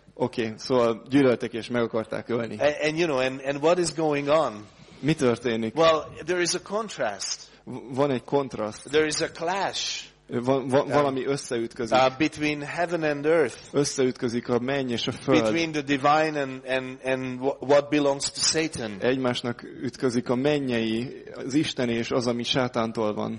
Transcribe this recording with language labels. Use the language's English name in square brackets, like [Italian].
[English] Okay, so [Hungarian] gyűlöltek és meg akarták ölni. [English] And what is going on? [Hungarian] Mi történik? [English] Well, there is a contrast. [Hungarian] Van egy kontraszt. [English] There is a clash. [Hungarian] Valami összeütközik. [English] Between heaven and earth. [Hungarian] Összeütközik a menny és a föld. [English] Between the divine and what belongs to Satan. [Hungarian] Egymásnak ütközik a mennyei, az isteni és az, ami Sátántól van.